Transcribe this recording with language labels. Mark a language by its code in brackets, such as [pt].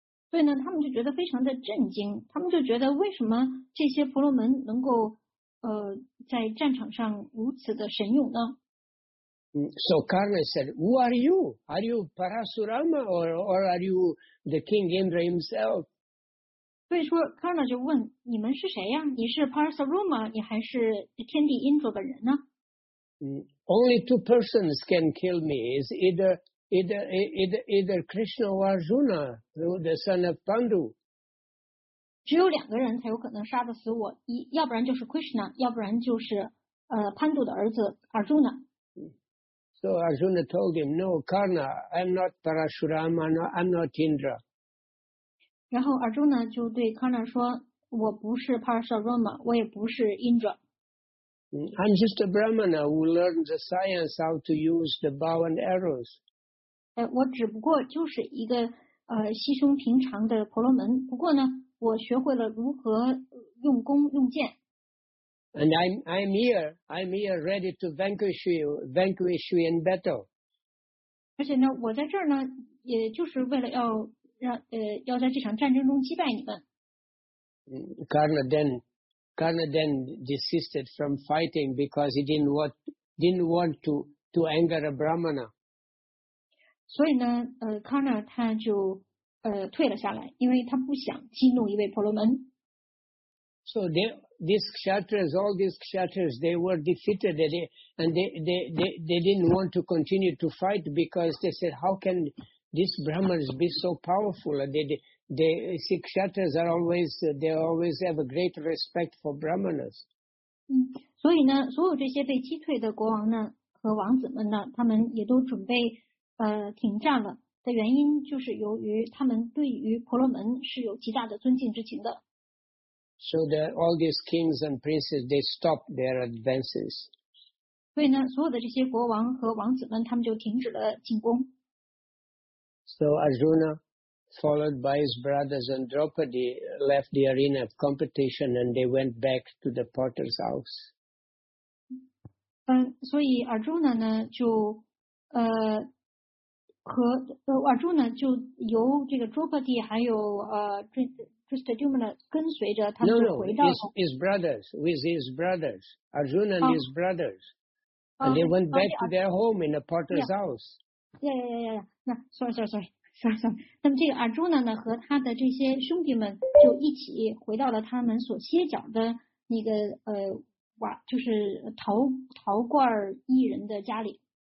[zh] 所以呢，他们就觉得非常的震惊。他们就觉得，为什么这些婆罗门能够在战场上如此的神勇呢 [en] ？So Karna said, "Who are you? Are you Parasurama or are you the King Indra himself?" [zh] 所以说 ，Karna 就问你们是谁呀？你是 Parasurama， 你还是天帝 Indra 本人呢 [en] ？Only two persons can kill me. Is either Krishna or Arjuna, the son of Pandu. [zh] 只有两个人才有可能杀得死我，要不然就是 Krishna， 要不然就是Pandu 的儿子 Arjuna。 [en] So Arjuna told him, "No, Karna, I'm not Parashurama, I'm not Indra." [zh] 然后 Arjuna 就对 Karna 说，我不是 Parashurama， 我也不是 Indra。 [en] I'm just a Brahmana who learned the science how to use the bow and arrows. [zh] 我只不过就是一个稀松平常的婆罗门，不过呢，我学会了如何用弓用箭。 [en] And I'm here ready to vanquish you in battle. [zh] 而且呢，我在这儿呢，也就是为了要让要在这场战争中击败你们。 [en] Karna then desisted from fighting because he didn't want to anger a Brahmana. [zh] 所以呢Karna 他就退了下来，因为他不想激怒一位婆罗门。 [en] So all these kshatras, they were defeated, and they didn't want to continue to fight because they said, how can these Brahmins be so powerful? They always have a great respect for Brahmanas. [zh] 所以呢，所有这些被击退的国王呢和王子们呢，他们也都准备。停战了的原因就是由于他们对于婆罗门是有极大的尊敬之情的。 [en] So all these kings and princes they stop their advances. [zh] 所以呢，所有的这些国王和王子们他们就停止了进攻。 [en] So Arjuna, followed by his brothers and Draupadi, left the arena of competition and they went back to the potter's house. [zh] 所以 Arjuna 呢就和瓦柱呢，就由这个卓巴蒂还有Drishtadyumna跟随着他们回到。 [en] His brothers, Arjuna and his brothers, and they went back to their home in a potter's house. Sorry. [zh] 那么这个瓦柱呢，和他的这些兄弟们就一起回到了他们所歇脚的那个就是陶罐艺人的家里。